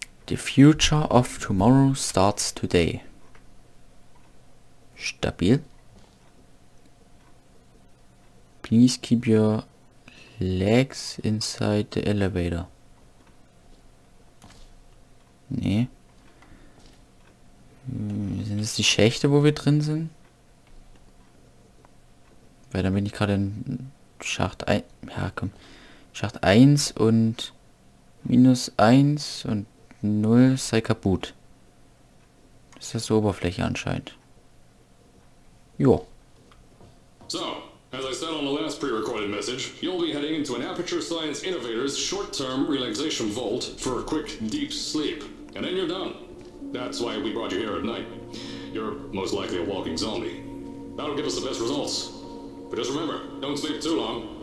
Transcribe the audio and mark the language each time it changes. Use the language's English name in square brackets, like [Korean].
[English] The future of tomorrow starts today. Stabil. Please keep your legs inside the elevator. [German] Nee. Sind es die Schächte, wo wir drin sind? Weil dann bin ich gerade in Schacht 1. Ja, komm. Schacht 1 und minus 1 und 0 sei kaputt. Das ist die Oberfläche anscheinend. Jo. So. [English] As I said on the last pre-recorded message, you'll be heading into an Aperture Science Innovator's short-term relaxation vault for a quick deep sleep, and then you're done. That's why we brought you here at night. You're most likely a walking zombie. That'll give us the best results. But just remember, don't sleep too long.